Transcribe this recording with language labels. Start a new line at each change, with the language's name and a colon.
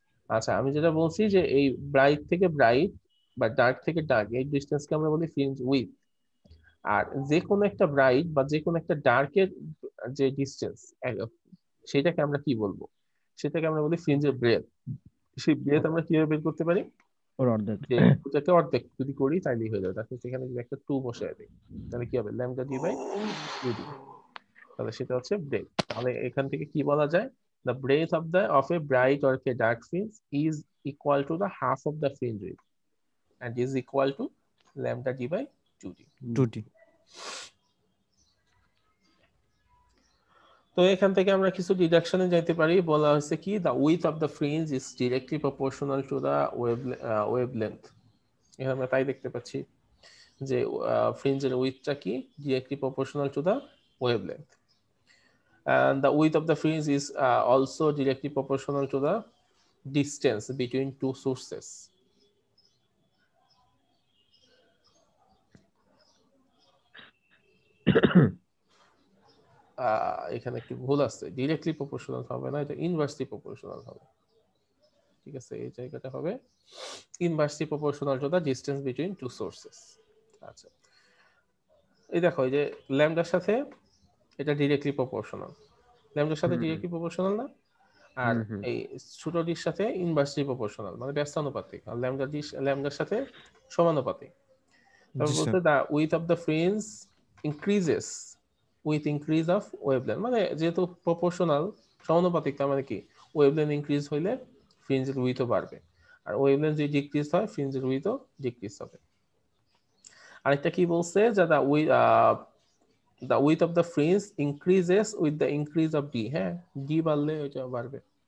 Bangla: আচ্ছা, আমি যেটা বলছি যে এই ব্রাইট থেকে ব্রাইট বা ডার্ক থেকে ডার্ক এই ডিস্টেন্স কে আমরা বলি ফ্রিঞ্জ উইথ, আর যে কোনো একটা ব্রাইট বা যে কোনো একটা ডার্ক এর যে ডিস্টেন্স সেটাকে আমরা কি বলবো, সেটাকে আমরা বলি ফ্রিঞ্জ এর ব্রেথ। সেই ব্রেথ আমরা কিভাবে বের করতে পারি, ওটাকে অর্ধেক যদি করি তাইলে হয়ে যাবে, তাহলে সেখানে যদি একটা টু বসে দিই তাহলে কি হবে, ল্যামডা ডি বাই ডি, তাহলে সেটা হচ্ছে ব্রেথ। তাহলে এখান থেকে কি বলা যায়,
English: the breadth of the of a bright or a dark fringe is equal to the half of the fringe width and is equal to lambda d by 2d.
Bangla: তো এখান থেকে আমরা কিছু ডিডাকশনে যেতে পারি, বলা হয়েছে কি
English: the width of the fringe is directly proportional to the wavelength.
Bangla: এখানে আমরা তাই দেখতে পাচ্ছি যে fringe এর উইথটা কি
English: directly proportional to the wavelength. And the width of the fringe is also directly proportional to the distance between two sources.
Bangla: এখানে একটু ভুল আছে, directly proportional হবে না, এটা
English: inversely proportional হবে, ঠিক আছে, এই জায়গাটা হবে inversely proportional to the distance between two sources.
Bangla: আচ্ছা, এই দেখো এই যে ল্যামডার সাথে এটা directly proportional, ল্যামডার সাথে ডিএ কি প্রপোর্শনাল না, আর এই ছোট ডির সাথে ইনভার্সলি প্রপোর্শনাল, মানে ব্যস্তানুপাতিক, আর ল্যামডা ডির ল্যামডার সাথে সমানুপাতিক। তাহলে বলতে
English: the width of the fringe increases with increase of wavelength,
Bangla: মানে যেহেতু প্রপোর্শনাল সমানুপাতিক, তার মানে কি ওয়েভলেন্থ ইনক্রিজ হইলে ফ্রিঞ্জের উইথও বাড়বে, আর ওয়েভলেন্থ যদি ডিক্রিজ হয় ফ্রিঞ্জের উইথও ডিক্রিজ হবে। আরেকটা কি বলছে,
English: যে দা উই the width of the fringe increases with the increase of d,
Bangla: ha d barle eta barbe.